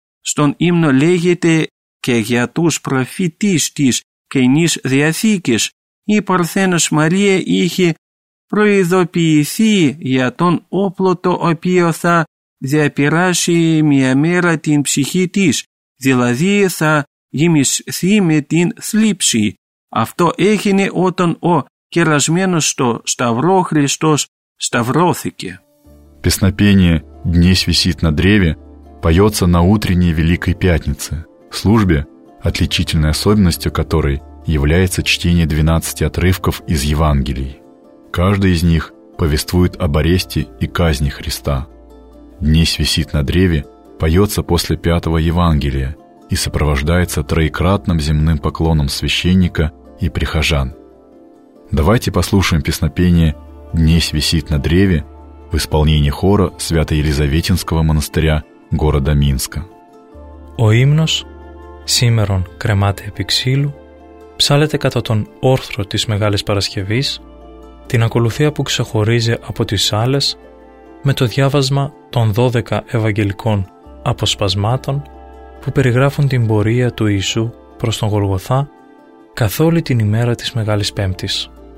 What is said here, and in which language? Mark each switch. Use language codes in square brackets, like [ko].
[el] Στον ύμνο λέγεται «Και για τους προφητείς της Καινής Διαθήκης η Παρθένος Μαρία είχε προειδοποιηθεί για τον όπλο το οποίο θα διαπεράσει μια μέρα την ψυχή της, δηλαδή θα γεμιστεί με την θλίψη. Αυτό έγινε όταν ο κερασμένος στο Σταυρό Χριστός σταυρώθηκε». [ru] Песнопение «Днесь висит на древе» поется на утренней Великой Пятнице, службе, отличительной особенностью которой является чтение 12 отрывков из Евангелий. Каждый из них повествует об аресте и казни Христа. «Днесь висит на древе» поется после 5-го Евангелия и сопровождается троекратным земным поклоном священника и прихожан. Давайте послушаем песнопение «Днесь висит на древе» в исполнении хора Свято-Елизаветинского монастыря города Минска. [el] «О имнос» «Σήμερον κρεμάται επί ξύλου» ψάλεται κατά τον όρθρο της Μεγάλης Παρασκευής, την ακολουθία που ξεχωρίζει από τις άλλες με το διάβασμα των 12 ευαγγελικών αποσπασμάτων που περιγράφουν την πορεία του Ιησού προς τον Γολγοθά καθ' όλη την ημέρα της Μεγάλης Πέμπτης.